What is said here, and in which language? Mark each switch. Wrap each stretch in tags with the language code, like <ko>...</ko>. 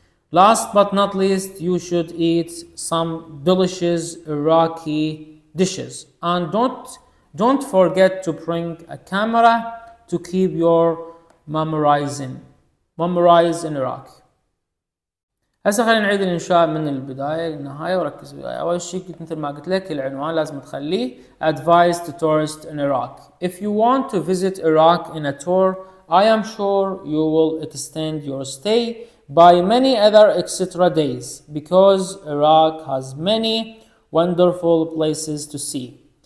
<en>Last but not least you should eat some delicious Iraqi dishes and don't forget to bring a camera to keep your memorize in Iraq.</en> <ar>هسه خلينا نعيد الانشاء من البدايه للنهايه وركز بي. اول شيء مثل ما قلت لك العنوان لازم تخليه</ar> <en>advice to tourists in Iraq. If you want to visit Iraq in a tour I am sure you will extend your stay by many other extra days because Iraq has many wonderful places to see.</en>